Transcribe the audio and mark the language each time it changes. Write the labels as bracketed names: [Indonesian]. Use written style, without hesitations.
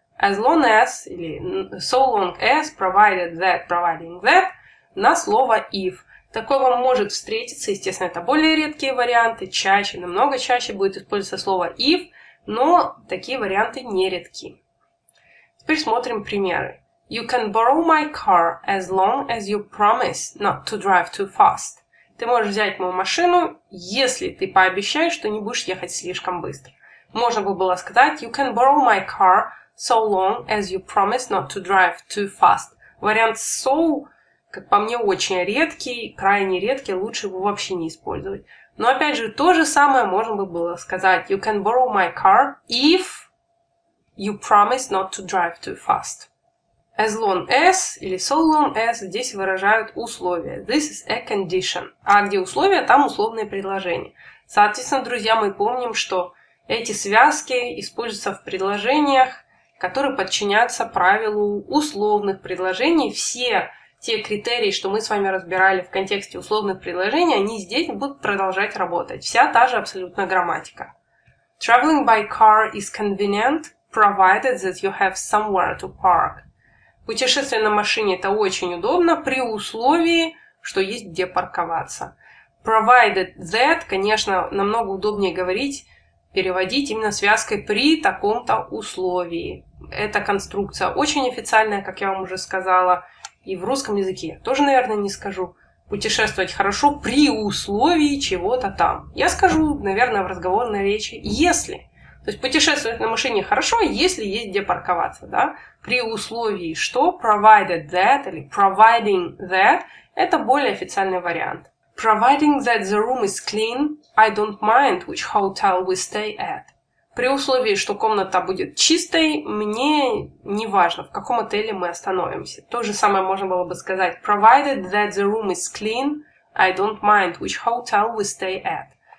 [English] as long as, или so long as, provided that, providing that, [Russian] на слово [English] if. [Russian] Такого может встретиться, естественно, это более редкие варианты, чаще, намного чаще будет использоваться слово if, но такие варианты нередки. Теперь смотрим примеры. [English] You can borrow my car as long as you promise not to drive too fast. [Russian] Ты можешь взять мою машину, если ты пообещаешь, что не будешь ехать слишком быстро. Можно было сказать [English] You can borrow my car so long as you promise not to drive too fast. [Russian] Вариант so, как по мне, очень редкий, крайне редкий, лучше его вообще не использовать. Но опять же, то же самое можно было сказать [English] You can borrow my car if you promise not to drive too fast. As long as или so long as [Russian] здесь выражают условия. [English] This is a condition. [Russian] А где условия, там условные предложения. Соответственно, друзья, мы помним, что эти связки используются в предложениях, которые подчиняются правилу условных предложений. Все те критерии, что мы с вами разбирали в контексте условных предложений, они здесь будут продолжать работать. Вся та же абсолютно грамматика. [English] Traveling by car is convenient, provided that you have somewhere to park. [Russian] Путешествие на машине это очень удобно при условии, что есть где парковаться. [English] Provided that, [Russian] конечно, намного удобнее говорить, переводить именно связкой при таком-то условии. Эта конструкция очень официальная, как я вам уже сказала, и в русском языке тоже, наверное, не скажу. Путешествовать хорошо при условии чего-то там. Я скажу, наверное, в разговорной речи «если». То есть путешествовать на машине хорошо, если есть где парковаться, да? При условии что? [English] Provided that [Russian] или [English] providing that [Russian] – это более официальный вариант. [English] Providing that the room is clean, I don't mind which hotel we stay at. [Russian] При условии, что комната будет чистой, мне не важно, в каком отеле мы остановимся. То же самое можно было бы сказать. [English] Provided that the room is clean, I don't mind which hotel we stay at.